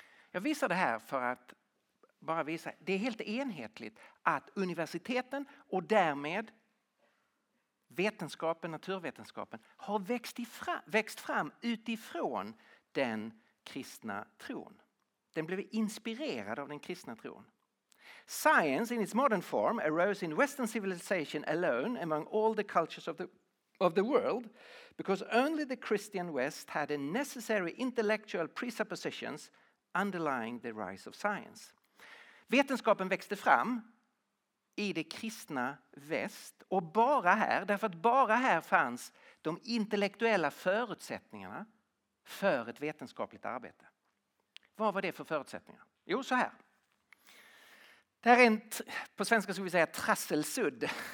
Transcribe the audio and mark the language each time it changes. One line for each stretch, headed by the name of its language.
Swedish: Jag visar det här för att bara visa. Det är helt enhetligt att universiteten och därmed vetenskapen, naturvetenskapen, har växt fram utifrån den kristna tron. Den blev inspirerad av den kristna tron.
English: Science in its modern form arose in Western civilization alone among all the cultures of the world because only the Christian West had the necessary intellectual presuppositions underlying the rise of science.
Swedish: Vetenskapen växte fram i det kristna väst och bara här, därför att bara här fanns de intellektuella förutsättningarna för ett vetenskapligt arbete. Vad var det för förutsättningar? Jo, så här. Det här är på svenska skulle vi säga trasselsudd.